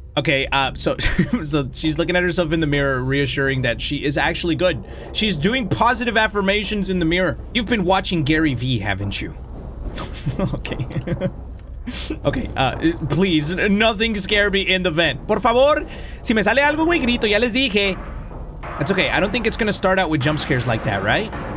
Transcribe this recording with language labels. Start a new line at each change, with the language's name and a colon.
English: Okay, so she's looking at herself in the mirror, reassuring that she is actually good. She's doing positive affirmations in the mirror. You've been watching Gary V, haven't you? Okay. Okay, please, nothing scare me in the vent.
Spanish: Por favor, si me sale algo, muy grito, ya les dije.
English: That's okay, I don't think it's gonna start out with jump scares like that, right?